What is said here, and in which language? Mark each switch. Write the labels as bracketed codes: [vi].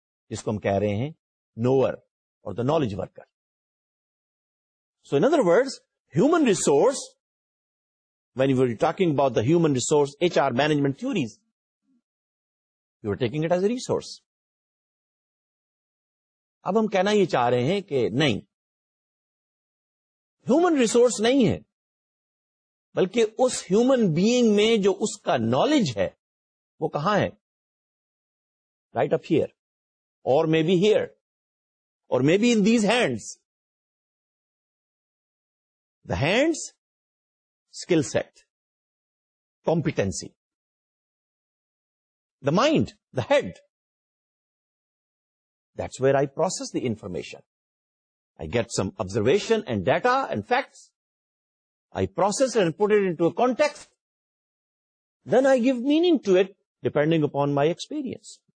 [ur] Jisko hum keh rahe hain, [en] knower or the knowledge worker. So in other words, human resource, when you were talking about the human resource HR management theories, you were taking it as a resource. [ur] اب ہم کہنا یہ چاہ رہے ہیں کہ نہیں, human resource نہیں ہے, بلکہ اس ہیومن بینگ میں جو اس کا نالج ہے وہ کہاں ہے, [en] Right up here or maybe here or maybe in these hands, the hands skill set competency, the mind the head. That's where I process the information. I get some observation and data and facts. I process it and put it into a context. Then I give meaning to it depending upon my experience.